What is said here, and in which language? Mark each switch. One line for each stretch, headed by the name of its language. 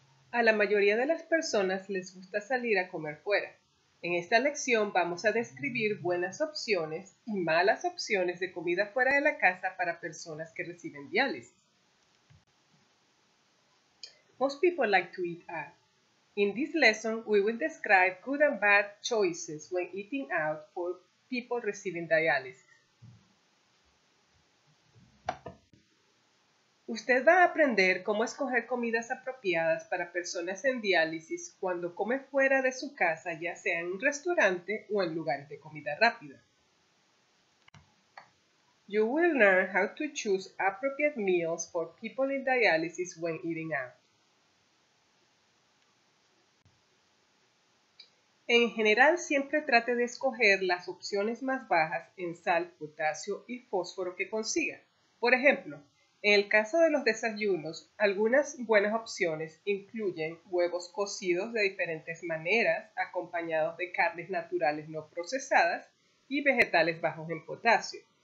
Spanish: A la mayoría de las personas les gusta salir a comer fuera. En esta lección vamos a describir buenas opciones y malas opciones de comida fuera de la casa para personas que reciben diálisis.
English: Most people like to eat out. In this lesson, we will describe good and bad choices when eating out for people receiving dialysis.
Spanish: Usted va a aprender cómo escoger comidas apropiadas para personas en diálisis cuando come fuera de su casa, ya sea en un restaurante o en lugares de comida rápida.
English: You will learn how to choose appropriate meals for people in dialysis when eating out.
Spanish: En general, siempre trate de escoger las opciones más bajas en sal, potasio y fósforo que consiga. Por ejemplo, en el caso de los desayunos, algunas buenas opciones incluyen huevos cocidos de diferentes maneras, acompañados de carnes naturales no procesadas y vegetales bajos en potasio.